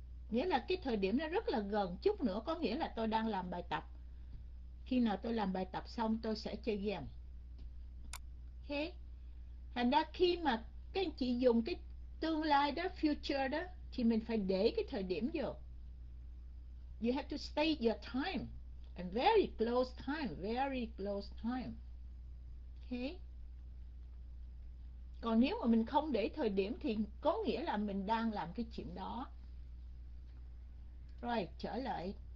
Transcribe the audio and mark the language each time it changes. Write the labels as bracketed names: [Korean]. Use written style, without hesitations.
[Vietnamese] Nghĩa là cái thời điểm nó rất là gần. Chút nữa có nghĩa là tôi đang làm bài tập. Khi nào tôi làm bài tập xong tôi sẽ chơi game. Thế thành ra khi mà các anh chị dùng cái tương lai đó, future đó, thì mình phải để cái thời điểm vô. [English] You have to state your time and very close time, very close time. [Vietnamese] Thế còn nếu mà mình không để thời điểm thì có nghĩa là mình đang làm cái chuyện đó. Rồi trở lại.